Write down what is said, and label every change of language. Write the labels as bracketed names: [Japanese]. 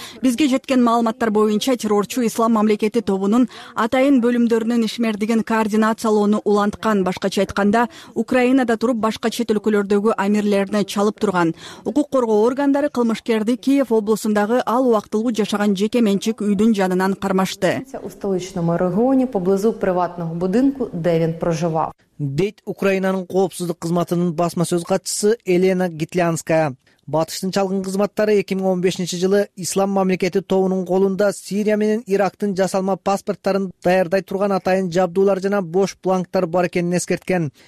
[Kyrgyz] Бизге жеткен маалыматтар боюнча террорчу Ислам мамлекети тобунун атайын бөлүмдөрүнүн ишмердигин координациялоону уланткан, башкача айтканда, Украинада туруп башка чет өлкөлөрдөгү амирлерине чалып турган. Укук коргоо органдары кылмышкерди Киев облусундагы ал убактылуу жашаган жеке менчик үйдүн жанынан кармашты. [Ukrainian] У столичном регионе поблизу приватного будинку, [Russian] где он проживал. [Kyrgyz] Дейт Украинанын коопсуздук кызматынын басма сөз катчысы Елена Гитлянская. Батыштын чалгын кызматтары 2015 жылы Ислам мамлекети тобунун колунда Сирия менен Ирактын жасалма паспорттарын даярдай турган атайын жабдуулар жана бош бланктар бар экенин эскерткен.